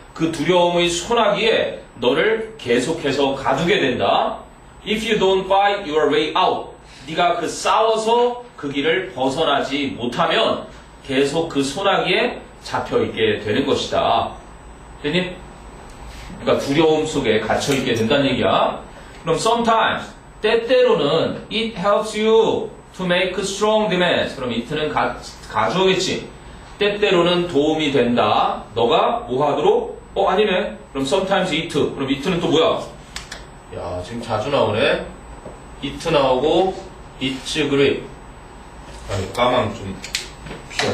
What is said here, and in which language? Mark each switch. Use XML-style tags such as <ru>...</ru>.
<ko>그 두려움의 소나기에 너를 계속해서 가두게 된다.</ko> <en>If you don't find your way out,</en> <ko>네가 그 싸워서 그 길을 벗어나지 못하면 계속 그 소나기에 잡혀 있게 되는 것이다. 됐니? 그러니까 두려움 속에 갇혀 있게 된다는 얘기야. 그럼</ko> <en>sometimes</en> <ko>때때로는</ko> <en>it helps you to make strong demands.</en> <ko>그럼 it는 가져오겠지. 때때로는 도움이 된다. 너가 뭐 하도록? 어, 아니네. 그럼</ko> <en>sometimes it.</en> <ko>그럼 it는 또 뭐야? 야, 지금 자주 나오네. it 나오고</ko> <en>it's great.</en> <ko>아, 까만 좀 피하자.</ko>